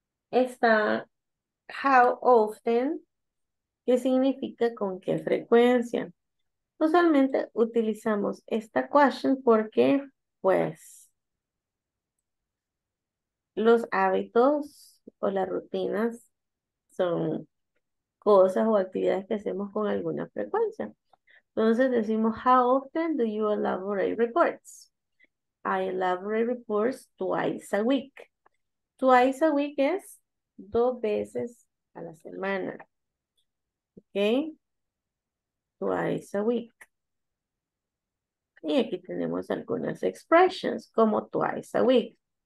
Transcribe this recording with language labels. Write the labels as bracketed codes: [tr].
[es] Está [en] how often, [es] que significa con qué frecuencia. Usualmente utilizamos esta question porque, pues, los hábitos o las rutinas son cosas o actividades que hacemos con alguna frecuencia. Entonces decimos, [en] how often do you elaborate reports? I elaborate reports twice a week. Twice a week [es] es 2 veces a la semana. [en] Okay? Twice a week. [es] Y aquí tenemos algunas expressions como [en] twice a week.